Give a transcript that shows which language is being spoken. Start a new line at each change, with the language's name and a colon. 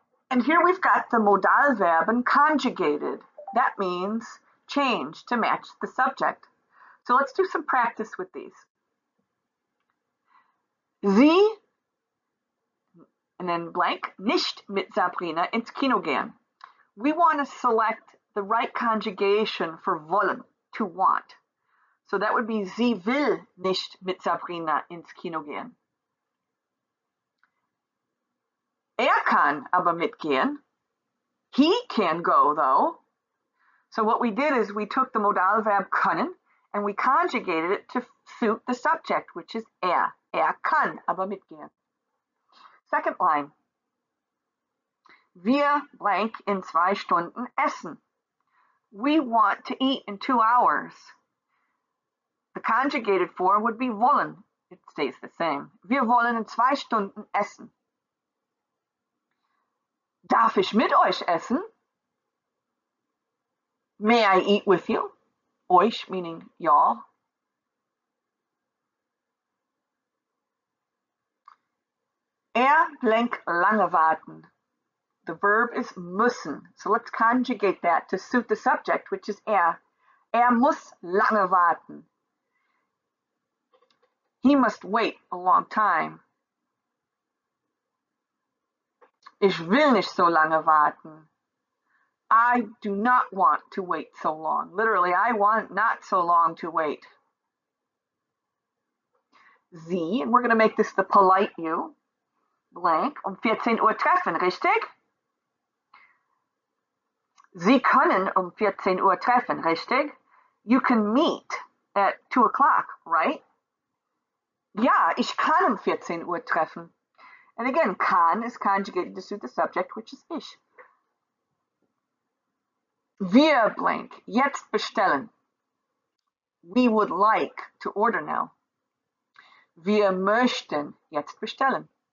English: And here we've got the modal verb conjugated. That means change to match the subject. So let's do some practice with these.
German: Sie,
English: and then blank,
German: nicht mit Sabrina ins Kino gehen.
English: We want to select the right conjugation for wollen, to want. So that would be
German: sie will nicht mit Sabrina ins Kino gehen. Kann aber mitgehen.
English: He can go though. So what we did is we took the modal verb können and we conjugated it to suit the subject, which is
German: kann aber mitgehen.
English: Second line.
German: Wir blank in 2 Stunden essen.
English: We want to eat in 2 hours. The conjugated form would be wollen. It stays the same.
German: Wir wollen in 2 Stunden essen. Darf ich mit euch essen?
English: May I eat with you? Euch meaning y'all. Blank
German: lange warten.
English: The verb is müssen. So let's conjugate that to suit the subject, which is
German: muss lange warten.
English: He must wait a long time.
German: Ich will nicht so lange warten.
English: I do not want to wait so long. Literally, I want not so long to wait. Sie, and we're going to make this the polite you, blank,
German: 14 Uhr treffen, richtig? Sie können 14 Uhr treffen, richtig?
English: You can meet at 2 o'clock, right?
German: Ja, ich kann 14 Uhr treffen.
English: And again, kann is conjugated to suit the subject, which is ich.
German: Wir blank, jetzt bestellen.
English: We would like to order now.
German: Wir möchten jetzt bestellen.